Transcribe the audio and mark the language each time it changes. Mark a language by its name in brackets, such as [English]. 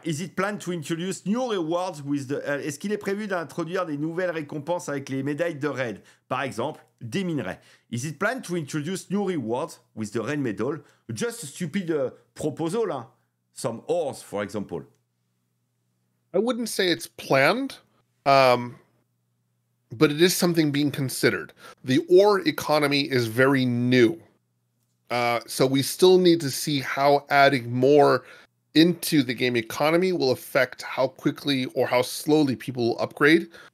[English] Is it planned to introduce new rewards with the? [French] Est-ce qu'il est prévu d'introduire des nouvelles récompenses avec les médailles de raid, par exemple des minerais? [English] Is it planned to introduce new rewards with the raid medal? Just a stupid proposal, hein? Some ores, for example. I wouldn't say it's planned, but it is something being considered. The ore economy is very new. So we still need to see how adding more into the game economy will affect how quickly or how slowly people will upgrade.